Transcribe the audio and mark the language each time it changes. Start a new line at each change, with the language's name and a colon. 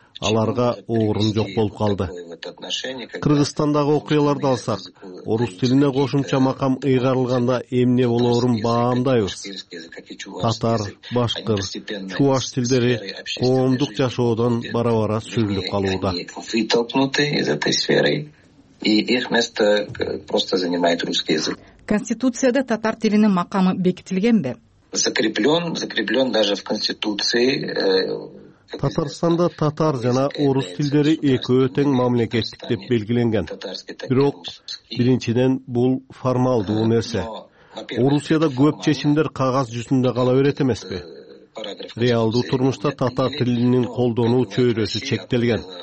Kyrgyz: Аларга орун жок болуп калды. Кыргызстандагы окуяларды алсак, орус тилине кошумча макам ыйгарылганда эмне болоорун баамдайбыз. Татар, башкыр, чуваш тилдери коомдук жашоодон бара-бара сүрүлүп калууда. Конституцияда татар тилинин макамы бекитилгенби?
Russian: Закреплен даже в конституции.
Kyrgyz: Татарстанда татар жана орус тилдери экөө тең мамлекеттик деп белгиленген. Бирок, биринчиден бул формалдуу нерсе. Орусияда көп чечимдер кагаз жүзүндө кала берет эмеспи? Реалдуу турмушта татар тилинин колдонуу чөйрөсү чектелген.